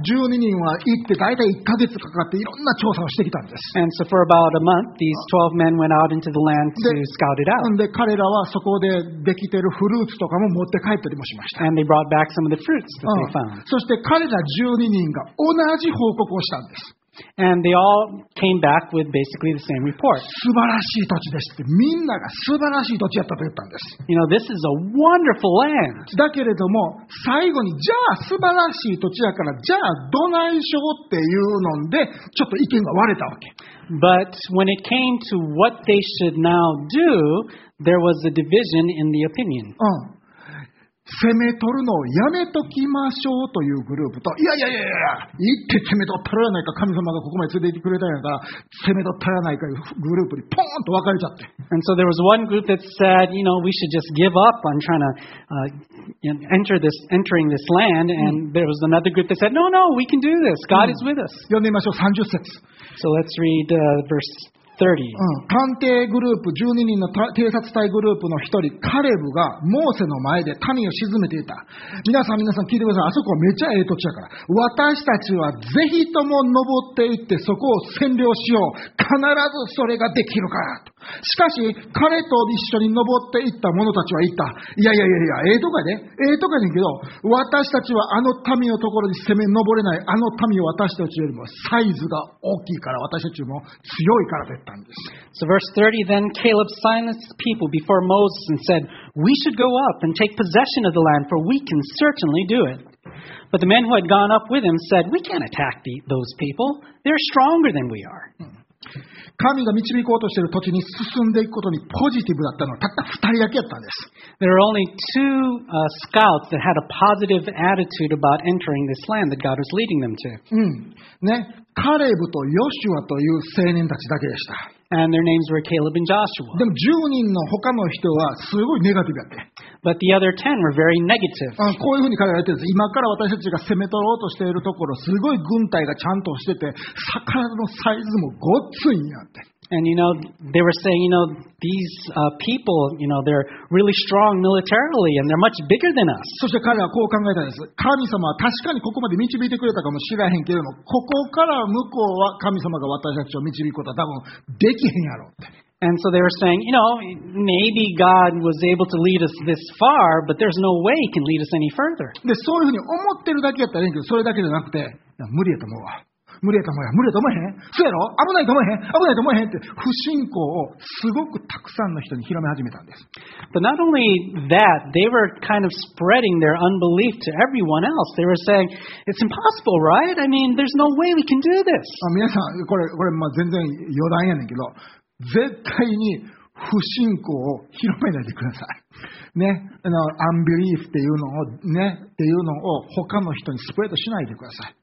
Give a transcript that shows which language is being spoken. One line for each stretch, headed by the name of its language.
Japanese: 12人は行って大体1ヶ月かかっていろんな調査をしてきたんです。
English: And so for about a month, these 12 men went out into the land to scout it out.
Japanese: で、彼らはそこでできているフルーツとかも持って帰ったりもしました。
English: And they brought back some of the fruits that they found.
Japanese: そして彼ら12人が同じ報告をしたんです。
English: And they all came back with basically the same report.
Japanese: 素晴らしい土地ですって、みんなが素晴らしい土地やったと言ったんです。
English: You know, this is a wonderful land.
Japanese: だけれども、最後に、じゃあ素晴らしい土地やから、じゃあどないしようっていうので、ちょっと意見が割れたわけ。
English: But when it came to what they should now do, there was a division in the opinion.
Japanese: うん。攻め取るのをやめときましょうというグループと、いやいやいやいや、行って攻め取ったらやないか、神様がここまで連れて行ってくれたんやから、攻め取ったらやないかというグループにポーンと分かれちゃって。
English: And so there was one group that said, you know, we should just give up on trying to、entering this land. And there was another group that said, no, no, we can do this. God is with us.
Japanese: 読んでみましょう、30節。
English: So let's read、verse 30.
Japanese: 探偵グループ12人の偵察隊グループの一人カレブがモーセの前で民を沈めていた。皆さん聞いてください。あそこはめっちゃええ土地やから、私たちはぜひとも登っていってそこを占領しよう。必ずそれができるからと。しかし彼と一緒に登っていった者たちは言った。いやいやいや、ええとかね、ええとかねんけど、私たちはあの民のところに攻め登れない。あの民は私たちよりもサイズが大きいから、私たちも強いからと言ったんです。
English: So verse 30, then Caleb silenced the people before Moses and said, we should go up and take possession of the land, for we can certainly do it. But the men who had gone up with him said, we can't attack those people, they're stronger than we are.
Japanese: 神が導こうとしている土地に進んでいくことにポジティブだったのはたった2人だけだったんです。
English: There were only two scouts that had a positive attitude about entering this land that God was leading them to.
Japanese: ね、カレブとヨシュアという青年たちだけでした。
English: And their names were Caleb and Joshua.
Japanese: でも10人の他の人はすごいネガティブだった。
English: But the other 10 were very negative.
Japanese: こういうふうに彼らは言ってるんです。今から私たちが攻め取ろうとしているところ、すごい軍隊がちゃんとしてて、魚のサイズもごっついんやって。
English: And you know, they were saying, you know, these people, you know, they're really strong militarily and they're much bigger than us.
Japanese: そして彼はこう考えたんです。神様は確かにここまで導いてくれたかもしれへんけれども、ここから向こうは神様が私たちを導くことは多分できへんやろって。
English: And so they were saying, you know, maybe God was able to lead us this far, but there's no way he can lead us any further.
Japanese: で、そういうふうに思ってるだけやったらいいけど、それだけじゃなくて、いや、無理やと思うわ。無理やと思えへん、無理やと思えへん、そうやろ、危ないと思えへん、危ないと思えへんって不信仰をすごくたくさんの人に広め始めたんです。
English: But not only that, they were kind of spreading their unbelief to everyone else. They were saying, it's impossible, right? I mean, there's no way we can do this.
Japanese: 皆さん、これまあ全然余談やねんけど、絶対に不信仰を広めないでください。ね、unbelief っていうのをね、っていうのを他の人にスプレッドしないでください。